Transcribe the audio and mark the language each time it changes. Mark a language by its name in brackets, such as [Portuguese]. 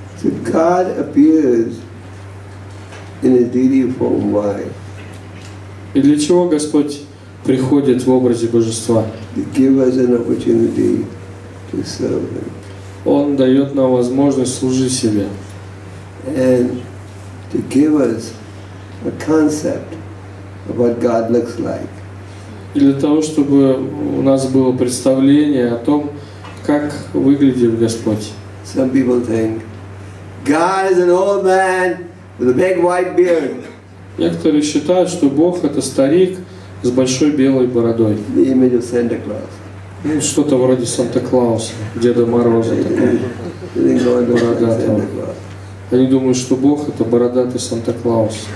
[English] So God appears in a deity form. Why? [Russian] И для чего Господь приходит в образе Божества? [English] To give us an opportunity. [Russian] Он дает нам возможность служить себе. [English] And to give us a concept of what God looks like. [Russian] И для того, чтобы у нас было представление о том, как выглядит Господь. [English] Some people think God is an old man with a big white beard. [Russian] Некоторые считают, что Бог это старик с большой белой бородой. [English] The image of Santa Claus. [Russian] Ну, что-то вроде Санта-Клауса, Деда Мороза такого, бородатого. Они думают, что Бог – это бородатый Санта-Клаус.